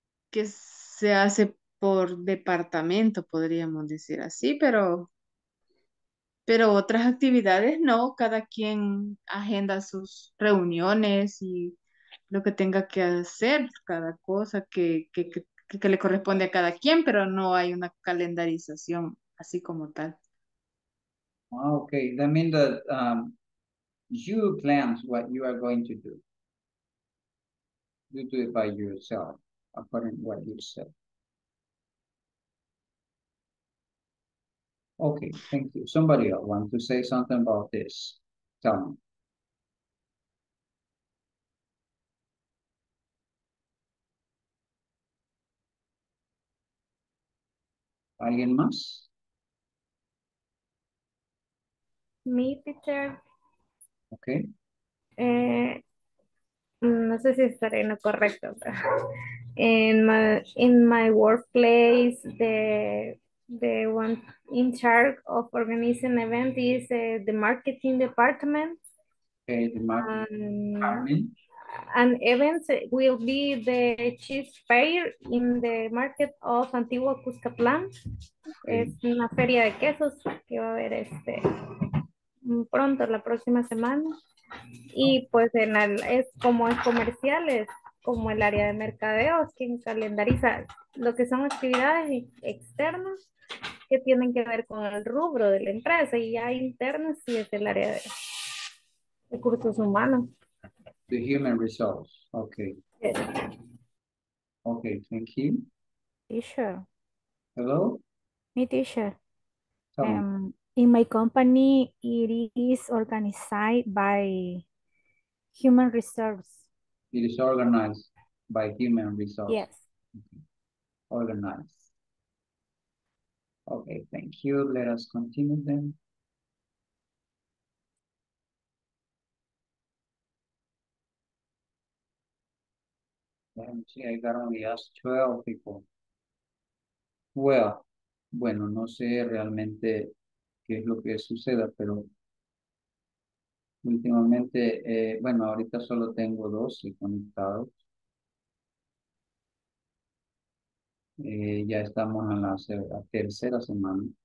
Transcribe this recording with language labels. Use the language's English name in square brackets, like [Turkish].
[Spanish] Que se hace por departamento, podríamos decir así, pero otras actividades no, cada quien agenda sus reuniones y lo que tenga que hacer, cada cosa que le corresponde a cada quien, pero no hay una calendarización así como tal. [English] Okay, that means that you plan what you are going to do. You do it by yourself, according to what you said. Okay, thank you. Somebody else want to say something about this? Tell me. [Spanish] ¿Alguien más? [English] Me, teacher. Okay. [Spanish] No sé si estaré en lo correcto, pero [English] in my workplace, the one in charge of organizing event is the marketing department. Okay, the marketing department. And events will be the chief fair in the market of Antigua Cuscatlán. Okay. [Spanish] Es una feria de quesos que va a haber pronto, la próxima semana. Y pues es comercial, es como el área de mercadeo, quien calendariza lo que son actividades externas que tienen que ver con el rubro de la empresa, y ya internas sí es el área de recursos humanos. [English] The human resource, okay. Yes. Okay, thank you. Teacher. Hello? Me, teacher. Tell me. In my company, it is organized by human resource. It is organized by human resource. Yes. Okay. Organized. Okay, thank you. Let us continue then. Let me see, I got only asked 12 people. [Spanish] Well, bueno, no sé realmente qué es lo que suceda, pero últimamente, bueno, ahorita solo tengo 12 conectados. Ya estamos en la tercera semana.